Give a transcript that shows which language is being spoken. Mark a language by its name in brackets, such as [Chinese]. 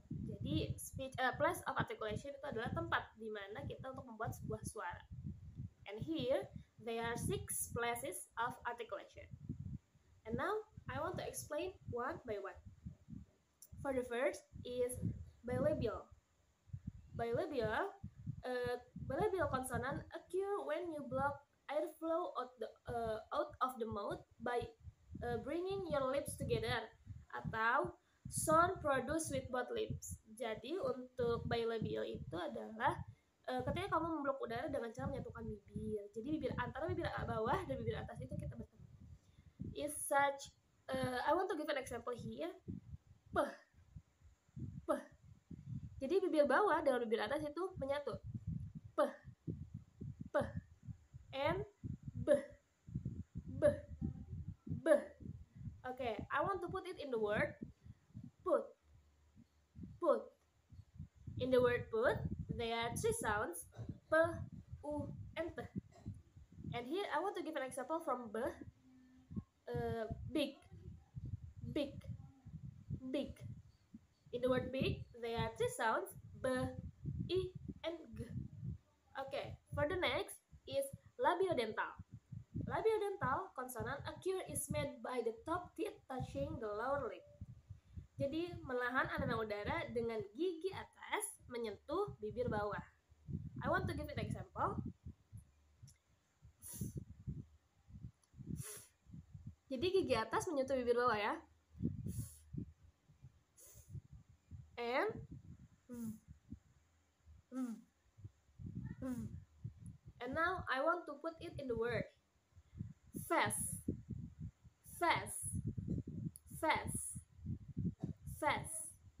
[Indonesian] Jadi speech place of articulation itu adalah tempat di mana kita untuk membuat sebuah suara. [English] And here there are six places of articulation. And now I want to explain one by one. For the first is bilabial. Bilabial consonant occur when you block airflow out of the mouth by bringing your lips together [Indonesian] atau [English] sound produced with both lips. [Indonesian] Jadi untuk bilabial itu adalah ketika kamu memblok udara dengan cara menyatukan bibir. Jadi bibir antara bibir bawah dan bibir atas itu kita bertemu. [English] Is such I want to give an example here. [Indonesian] Puh. Jadi bibir bawah dengan bibir atas itu menyatu. P. P. M. B. B. B. [English] Okay, I want to put it in the word put. Put. In the word put, there are three sounds. P, U, and P. And here I want to give an example from B. Big. Big. Big. In the word big, there are three sounds, B, I, and G. Okay, for the next is labiodental. Labiodental consonant occur is made by the top teeth touching the lower lip. [Indonesian] Jadi, menahan aliran udara dengan gigi atas menyentuh bibir bawah. [English] I want to give an example. [Indonesian] Jadi, gigi atas menyentuh bibir bawah ya. [English] And and now I want to put it in the word fast. Fast. Fast. Fast.